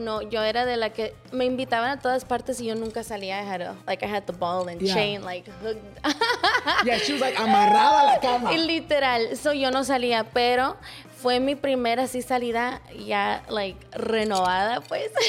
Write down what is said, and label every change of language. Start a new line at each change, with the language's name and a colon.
Spanish: No, yo era de la que me invitaban a todas partes y yo nunca salía.
English: I had a, like, I had the ball and chain, like, hooked. Yeah, she was like,
Spanish: amarrada a la cama. Y literal. So yo no salía, pero... Fue mi primera así salida ya, like, renovada, pues.